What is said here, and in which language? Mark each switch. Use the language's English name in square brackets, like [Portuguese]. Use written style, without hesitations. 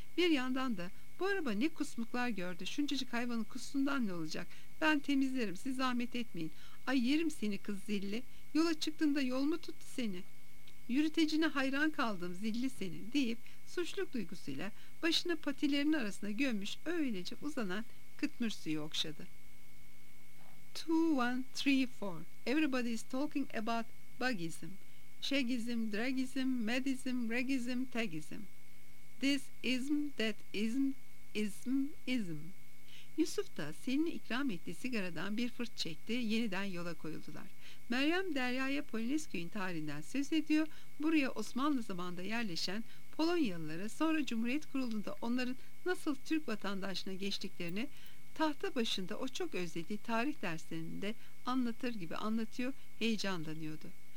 [Turkish] Bir yandan da bu araba ne kusmuklar gördü. Şuncacık hayvanın kustuğundan ne olacak? Ben temizlerim. Siz zahmet etmeyin. Ay yerim seni kız Zilli. Yola çıktığında yol mu tuttu seni? Yürütecine hayran kaldım Zilli senin deyip suçluk duygusuyla başını patilerinin arasına gömmüş öylece uzanan kıtmır suyu okşadı. [English] 2, 1, 3, 4 Everybody is talking about bugism, shagism, dragism, madism, regism, tagism. This ism, that ism, ism, ism. [Turkish] Yusuf da Selin'e ikram ettiği sigaradan bir fırt çekti, yeniden yola koyuldular. Meryem Derya'ya Polinesköy'ün tarihinden söz ediyor, buraya Osmanlı zamanında yerleşen Polonyalılara sonra Cumhuriyet kurulduğunda onların nasıl Türk vatandaşına geçtiklerini tahta başında o çok özlediği tarih derslerinde anlatır gibi anlatıyor, heyecanlanıyordu.